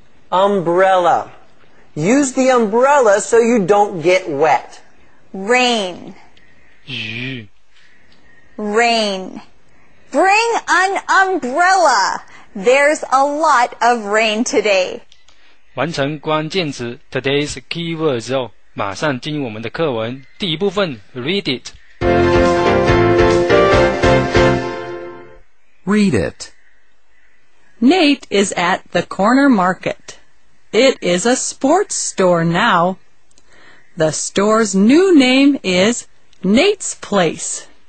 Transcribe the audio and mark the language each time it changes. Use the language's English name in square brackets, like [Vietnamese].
[English] Umbrella. Use the umbrella so you don't get wet. Rain. [Chinese] 雨。 [English] Rain. Bring an umbrella. There's a lot of rain today. [Chinese] 完成关键词 [English] today's keywords [Chinese] 后，马上进入我们的课文。第一部分 ， [English] read it. Read it. Nate is at the corner market. It is a sports store now. The store's new name is Nate's Place.